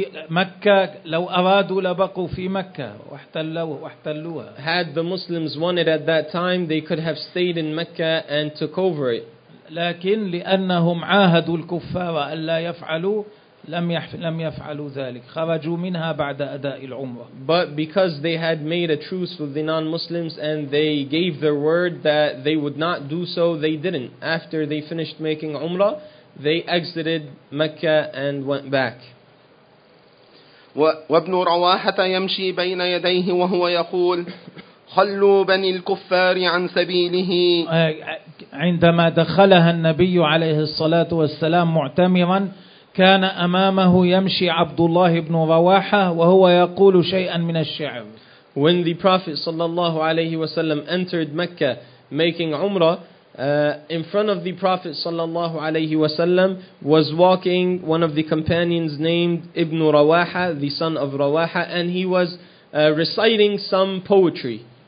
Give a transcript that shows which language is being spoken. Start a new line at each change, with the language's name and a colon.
Arabic: مكة لو أرادوا لبقوا في مكة واحتلوها.
English: Had the Muslims wanted at that time, they could have stayed in Mecca and took over it.
Arabic: لكن لأنهم عاهدوا الكفار ألا يفعلوا. لم يفعلوا ذلك خرجوا منها بعد أداء العمرة.
English: But because they had made a truce with the non-Muslims and they gave their word that they would not do so, they didn't. After they finished making Umrah, they exited Mecca and went back.
Arabic: وابن رواحة يمشي بين يديه وهو يقول خلوا بني الكفار عن سبيله. عندما دخلها النبي عليه الصلاة والسلام معتمرا كان أمامه يمشي عبد الله بن رواحة وهو يقول شيئا من الشعر.
English: When the Prophet
Arabic: صلى الله عليه وسلم
English: entered Mecca making Umrah, in front of the Prophet صلى الله عليه وسلم was walking one of the companions named Ibn رواحة, the son of رواحة, and he was reciting some poetry.